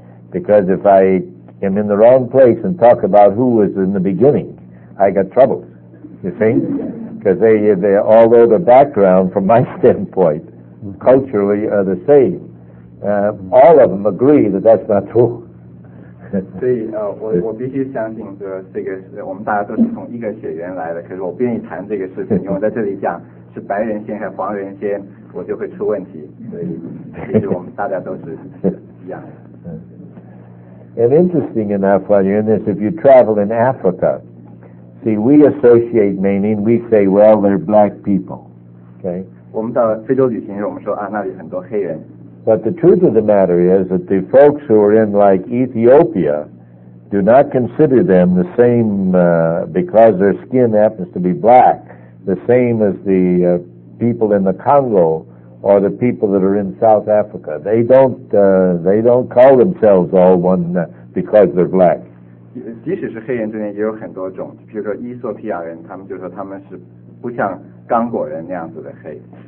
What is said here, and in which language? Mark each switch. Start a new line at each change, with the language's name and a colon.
English: Because if I am in the wrong place and talk about who was in the beginning, I got troubles, you see? Because they, although the background, from my standpoint, culturally, are the same, all of them agree that that's not true.
Chinese: 所以我必须相信说这个是我们大家都是从一个血缘来的，可是我不愿意谈这个事情，因为在这里讲是白人先还是黄人先，我就会出问题，所以其实我们大家都是一样的。
English: And interesting enough, while you're in this, if you travel in Africa, see, we associate meaning, we say, well, they're black people, okay?
Chinese: 我们到非洲旅行时，我们说啊，那里很多黑人。
English: But the truth of the matter is that the folks who are in, like, Ethiopia do not consider them the same, because their skin happens to be black, the same as the people in the Congo or the people that are in South Africa. They don't call themselves all one because they're black.
Chinese: 即使是黑人中间也有很多种，比如说伊索比亚人，他们就说他们是不像刚果人那样子的黑。